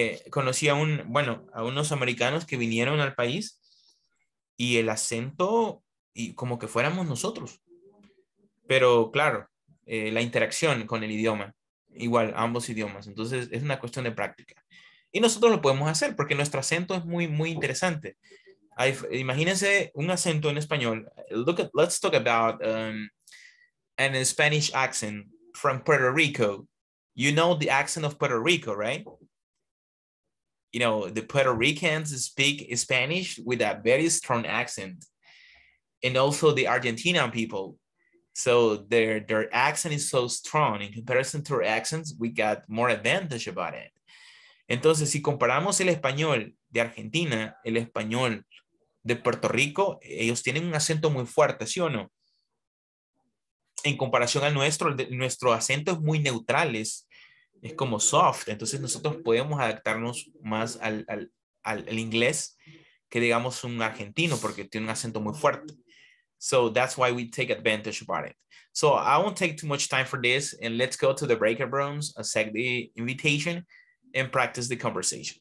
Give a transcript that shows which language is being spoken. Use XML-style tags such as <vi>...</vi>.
<es>Conocí a un, bueno, a unos americanos que vinieron al país y el acento, y como que fuéramos nosotros. Pero claro, la interacción con el idioma, igual, ambos idiomas. Entonces, es una cuestión de práctica. Y nosotros lo podemos hacer porque nuestro acento es muy, muy interesante. Imagínense un acento en español.</es> <en>Let's talk about an Spanish accent from Puerto Rico. You know the accent of Puerto Rico, right? You know, the Puerto Ricans speak Spanish with a very strong accent. And also the Argentina people. So their accent is so strong. In comparison to our accents, we got more advantage about it.</en> <es>Entonces, si comparamos el español de Argentina, el español de Puerto Rico, ellos tienen un acento muy fuerte, ¿sí o no? En comparación al nuestro, nuestro acento es muy neutral, es como soft. Entonces, nosotros podemos adaptarnos más al inglés que, digamos, un argentino, porque tiene un acento muy fuerte.</es> <en>So, that's why we take advantage about it. So, I won't take too much time for this, and let's go to the breakout rooms, accept the invitation, and practice the conversation.</en>